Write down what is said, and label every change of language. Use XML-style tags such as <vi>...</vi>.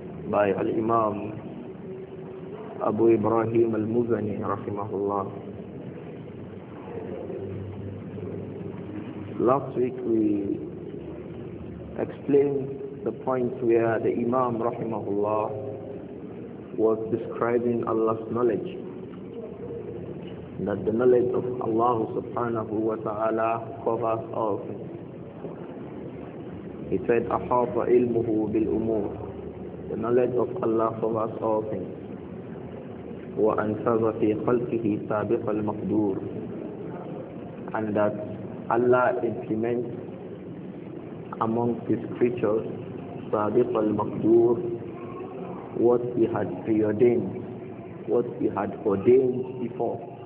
<ar>بايع الإمام أبو إبراهيم المزني رحمه الله.</ar> <en>Last week we explained the point where the Imam رحمه الله was describing Allah's knowledge, that the knowledge of Allah subhanahu wa ta'ala covers all things. He said,</en> <ar>أَحَاطَ إِلْمُهُ بِالْأُمُورِ.</ar> <en>The knowledge of Allah covers all things.</en> <ar>وَأَنْفَذَ فِي خَلْقِهِ سَابِقَ الْمَقْدُورِ.</ar> <en>And that Allah implements among His creatures</en> <ar>سَابِقَ الْمَقْدُورِ</ar> <en>what He had preordained, what He had ordained before.</en>